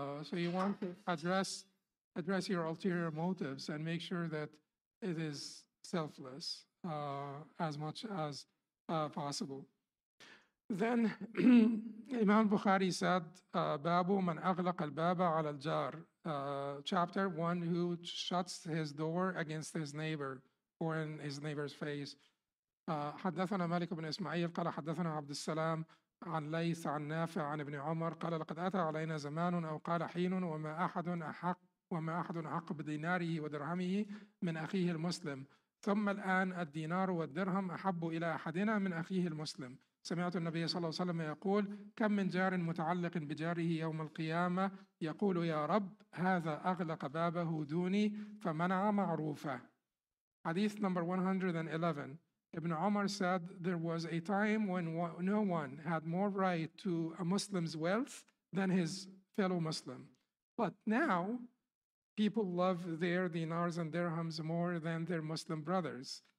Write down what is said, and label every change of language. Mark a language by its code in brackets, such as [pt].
[en] So you want to address your ulterior motives and make sure that it is selfless as much as possible. Then Imam Bukhari said, [ar] "Babu man aghlaq al-baba ala al-jar." [en] Chapter: one who shuts his door against his neighbor or in his neighbor's face. [ar] حدثنا مالك بن إسماعيل قال حدثنا عبد السلام عن ليث عن نافع عن ابن عمر قال لقد أتى علينا زمان أو قال حين وما أحد أحق بديناره ودرهمه من أخيه المسلم ثم الآن الدينار والدرهم أحب إلى أحدنا من أخيه المسلم. سمعت النبي صلى الله عليه وسلم يقول: كم من جار متعلق بجاره يوم القيامة يقول: يا رب، هذا أغلق بابه دوني فمنع معروفه. [en] Hadith number 111. Ibn Umar said, there was a time when no one had more right to a Muslim's wealth than his fellow Muslim. But now, people love their dinars and dirhams more than their Muslim brothers.